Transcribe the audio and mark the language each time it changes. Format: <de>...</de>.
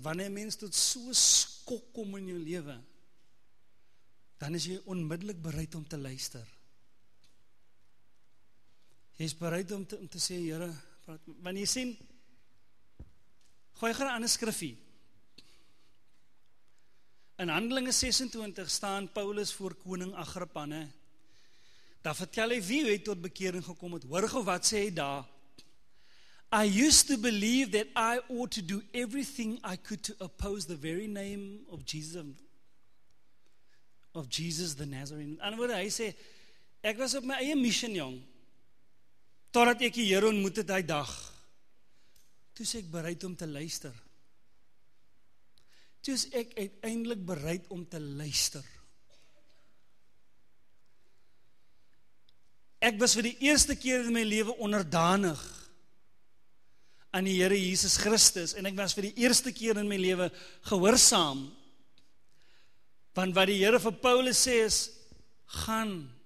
<af>Wanneer mens tot so skok kom in jou lewe, dan is jy onmiddellik bereid om te luister. Jy is bereid om te sê, Here, wanneer jy sien, gooi gaan aan 'n skriffie. In Handelinge 26 staan Paulus voor koning Agrippa. Daar vertel hy wie het tot bekering gekom het. Hoor gou wat sê hy daar.</af> <en>I used to believe that I ought to do everything I could to oppose the very name of Jesus the Nazarene.</en> <af>En wat hy sê, ek was op my eie mission, jong. Totdat ek die Here ontmoet het die dag. Toe sê ek bereid om te luister. Toe is ek uiteindelik bereid om te luister. Ek was vir die eerste keer in my lewe onderdanig aan die Here Jesus Christus, en ek was vir die eerste keer in my lewe gehoorsaam. Want wat die Here vir Paulus sê is, gaan.</af>